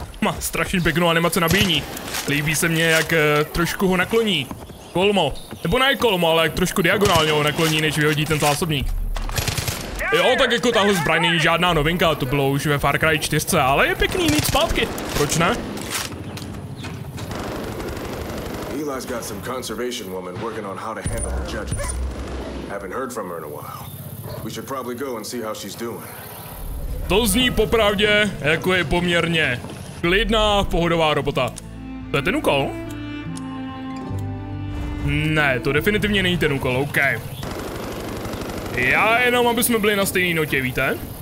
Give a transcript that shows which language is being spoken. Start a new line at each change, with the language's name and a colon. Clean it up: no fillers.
Czech: Má strašně pěknou animace nabíjení. Líbí se mně, jak trošku ho nakloní. Kolmo. Nebo ne kolmo, ale jak trošku diagonálně ho nakloní, než vyhodí ten zásobník. Jo, tak jako tahle zbraň není žádná novinka, to bylo už ve Far Cry 4, ale je pěkný mít zpátky. Proč ne?
English: Eli's got some conservation woman working on how to handle the judges. Haven't heard from her in a while. We should probably go and see how she's doing.
Czech: To zní popravdě, jako je poměrně klidná, pohodová robota. To je ten úkol? Ne, to definitivně není ten úkol, OK. Já jenom, aby jsme byli na stejné notě, víte?